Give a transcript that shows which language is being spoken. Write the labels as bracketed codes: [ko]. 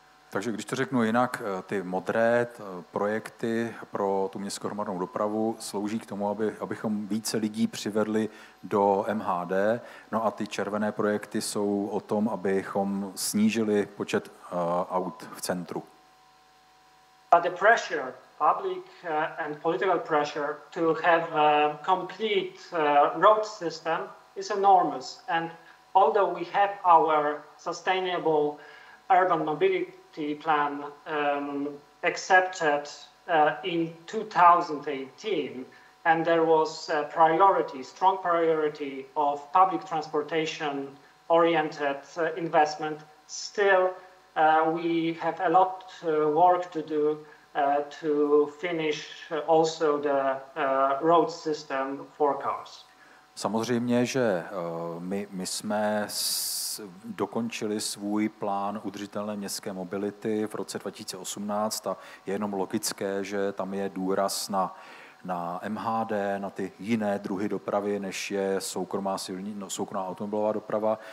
[cs] Takže když to řeknu jinak, ty modré projekty pro tu městskou hromadnou dopravu slouží k tomu, abychom více lidí přivedli do MHD, no a ty červené projekty jsou o tom, abychom snížili počet aut v centru. [en] But the pressure, public and political pressure to have a complete road system is enormous, and although we have our sustainable urban mobility plan accepted in 2018, and there was a priority, strong priority of public transportation oriented investment, still we have a lot of work to do to finish also the road system for cars. [cs] Samozřejmě, že my jsme dokončili svůj plán udržitelné městské mobility v roce 2018 a je jenom logické, že tam je důraz na MHD, na ty jiné druhy dopravy, než je soukromá automobilová doprava.